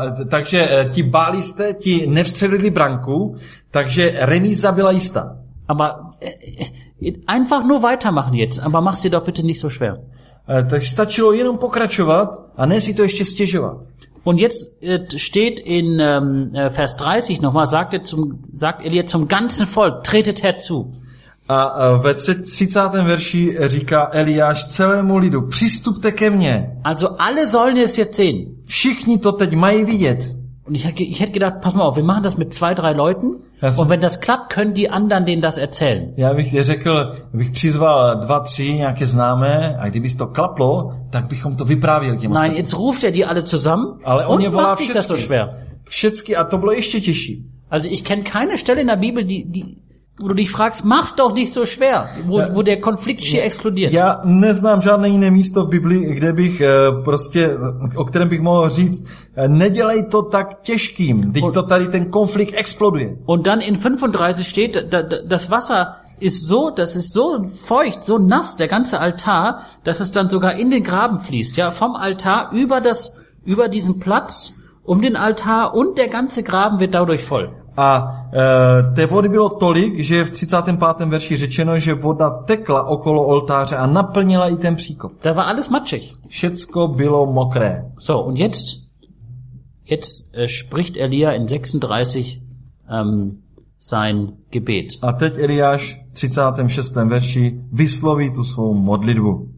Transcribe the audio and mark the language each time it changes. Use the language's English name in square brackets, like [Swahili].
[Czech] Takže ti bálisté, ti nevstřelili branku, takže remíza byla jistá. [German] Aber einfach nur weitermachen jetzt, aber mach sie doch bitte nicht so schwer. [Czech] Tak stačilo jenom pokračovat a ne si to ještě stěžovat. [German] Und jetzt steht in Vers 30 nochmal, sagt Elia zum ganzen Volk, tretet herzu. [Czech] A ve 30. verši říká Eliáš celému lidu, přistupte ke mně. [German] Also alle sollen es jetzt sehen. [Czech] Všichni to teď mají vidět. [German] Und ich hätte gedacht, pass mal auf, wir machen das mit 2-3 Leuten. Und wenn das klappt, können die anderen denen das erzählen. [Czech] Já bych řekl, bych přizval 2-3 nějaké známé, a kdyby to klaplo, tak bychom to vyprávěli těm ostatním. [German] Nein, jetzt ruft die alle zusammen. [Czech] Ale on je volá všechny. Všechny a to bylo ještě těžší. [German] Also ich kenne keine Stelle in der Bibel, die wo du dich fragst, mach's doch nicht so schwer, wo der Konflikt hier explodiert. [Czech] Já neznám žádné jiné místo v Biblii, kde bych prostě, o kterém bych mohl říct, nedělej to tak těžkým, teď to tady ten konflikt exploduje. [German] Und dann in 35 steht, das Wasser ist so, das ist so feucht, so nass, der ganze Altar, dass es dann sogar in den Graben fließt, ja, vom Altar über diesen Platz, um den Altar und der ganze Graben wird dadurch voll. [Czech] A té vody bylo tolik, že je v 35. verši řečeno, že voda tekla okolo oltáře a naplnila i ten příkop. [German] Da war alles matschig. [Czech] Všecko bylo mokré. [German] So, und jetzt spricht Elia in 36 sein Gebet. [Czech] A teď Eliáš v 36. verši vysloví tu svou modlitbu.